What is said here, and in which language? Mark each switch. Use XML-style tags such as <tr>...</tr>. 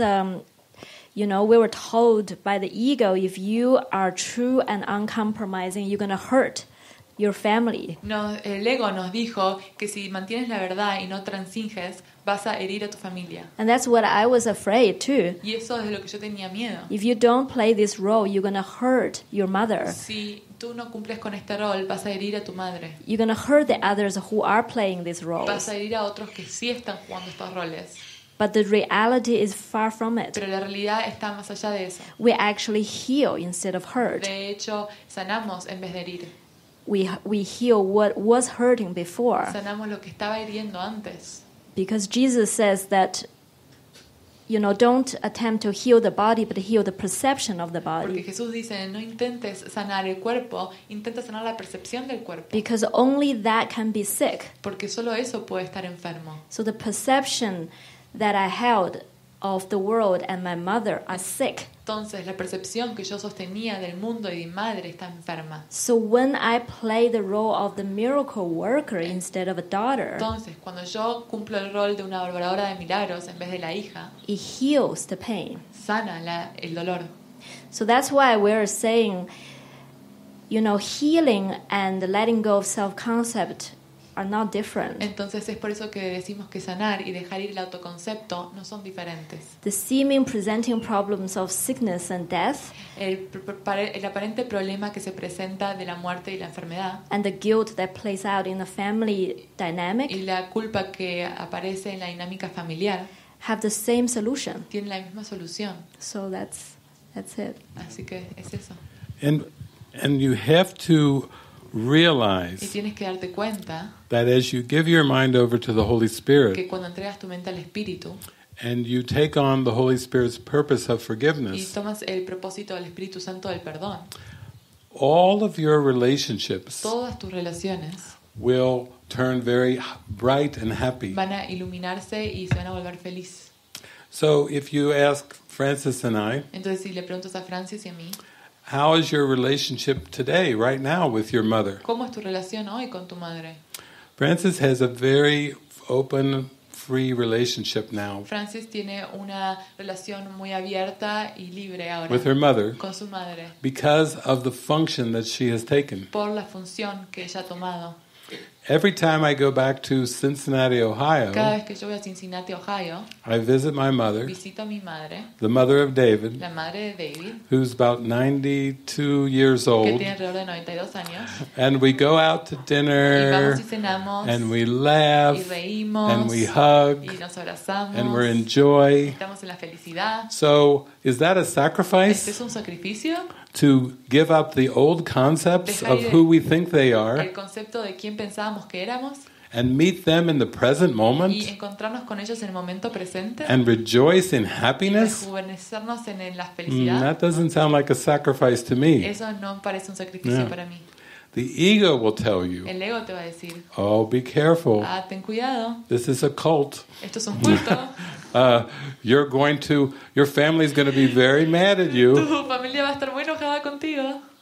<en>you know, we were told by the ego, if you are true and uncompromising, you're going to hurt your family.</en> <es>No, el ego nos dijo que si mantienes la verdad y no transinges, vas a herir a tu familia.</es> <en>And that's what I was afraid too.</en> <es>Y eso es de lo que yo tenía miedo.</es> <en>If you don't play this role, you're going to hurt your mother.</en> <es>Si tú no cumples con este rol, vas a herir a tu madre.</es> <en>You're going to hurt the others who are playing this role.</en> <es>Vas a herir a otros que sí están jugando estos roles.</es> <en>But the reality is far from it.</en> <es>Pero la realidad está más allá de eso.</es> <en>We actually heal instead of hurt.</en> <es>De hecho, sanamos en vez de herir.</es> <en>We heal what was hurting before.</en> <es>Sanamos lo que estaba hiriendo antes.</es> <en>Because Jesus says that, you know, don't attempt to heal the body, but heal the perception of the body.</en> <es>Porque Jesús dice, no intentes sanar el cuerpo, intenta sanar la percepción del cuerpo.</es> <en>Because only that can be sick.</en> <es>Porque solo eso puede estar enfermo.</es> <en>So the perception that I held of the world and my mother are sick.</en> <es>Entonces la percepción que yo sostenía del mundo y de mi madre está enferma.</es> <en>So when I play the role of the miracle worker instead of a daughter.</en> <es>Entonces cuando yo cumplo el rol de una obradora de milagros en vez de la hija.</es> <en>It heals the pain.</en> <es>Sana el dolor.</es> <en>So that's why we're saying, you know, healing and letting go of self-concept are not different.</en> <es>Entonces es por eso que decimos que sanar y dejar ir el autoconcepto no son diferentes.</es> <en>The seeming presenting problems of sickness and death,</en> <es>el aparente problema que se presenta de la muerte y la enfermedad,</es> <en>and the guilt that plays out in the family dynamic,</en> <es>y la culpa que aparece en la dinámica familiar,</es> <en>have the same solution.</en> <es>Tienen la misma solución.</es> <en>So that's it.</en> <es>Así que es eso.</es> <en>And you have to realize,</en> <es>y tienes que darte cuenta,</es> <en>that as you give your mind over to the Holy Spirit,</en> <es>que cuando entregas tu mente al Espíritu,</es> <en>and you take on the Holy Spirit's purpose of forgiveness,</en> <es>y tomas el propósito del Espíritu Santo del perdón,</es> <en>all of your relationships,</en> <es>todas tus relaciones,</es> <en>will turn very bright and happy.</en> <es>Van a iluminarse y se van a volver feliz.</es> <en>So if you ask Francis and I,</en> <es>entonces si le preguntas a Francis y a mí,</es> <en>how is your relationship today, right now, with your mother?</en> <es>¿Cómo es tu relación hoy con tu madre?</es> <en>Francis has a very open, free relationship now.</en> <es>Francis tiene una relación muy abierta y libre ahora.</es> <en>With her mother.</en> <es>Con su madre.</es> <en>Because of the function that she has taken.</en> <es>Por la función que ella ha tomado.</es> <en>Every time I go back to Cincinnati, Ohio,</en> <es>cada vez que yo voy a Cincinnati, Ohio,</es> <en>I visit my mother,</en> <es>visito a mi madre,</es> <en>the mother of David,</en> <es>la madre de David,</es> <en>who's about 92 years old,</en> <es>que tiene alrededor de 92 años,</es> <en>and we go out to dinner,</en> <es>y vamos y cenamos,</es> <en>and we laugh,</en> <es>y reímos,</es> <en>and we hug,</en> <es>y nos abrazamos,</es> <en>and we're in joy.</en> <es>Estamos en la felicidad.</es> <en>So, is that a sacrifice?</en> <es>¿Este es un sacrificio?</es> <en>To give up the old concepts of who we think they are,</en> <es>el concepto de quién pensábamos que éramos,</es> <en>and meet them in the present moment,</en> <es>y encontrarnos con ellos en el momento presente,</es> <en>and rejoice in happiness,</en> <es>y rejuvenecernos en la felicidad.</es> <en>That doesn't sound like a sacrifice to me.</en> <es>Eso no parece un sacrificio yeah. para mí.</es> <en>The ego will tell you.</en> <es>El ego te va a decir.</es> <en>Oh, be careful.</en> <es>Ah, ten cuidado.</es> <en>This is a cult.</en> <es>Esto es un culto.</es> <en>Your family is going to be very mad at you.</en> <es>Tu familia va a estar muy enojada contigo.</es>